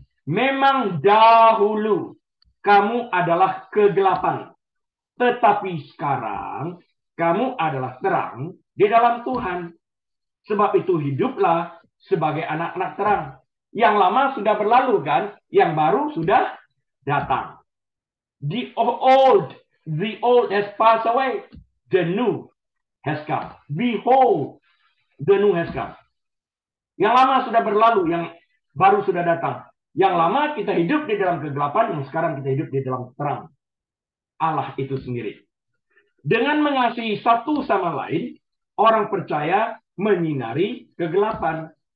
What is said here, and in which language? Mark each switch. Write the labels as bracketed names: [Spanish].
[Indonesian] Memang dahulu kamu adalah kegelapan, tetapi sekarang kamu adalah terang di dalam Tuhan. Sebab itu hiduplah sebagai anak-anak terang. Yang lama sudah berlalu kan, yang baru sudah datang. [English] The old has passed away, the new has come. Behold, the new has come. [Indonesian] Yang lama sudah berlalu, yang baru sudah datang. Yang lama kita hidup di dalam kegelapan, yang sekarang kita hidup di dalam terang Allah itu sendiri. Dengan mengasihi satu sama lain, orang percaya menyinari kegelapan.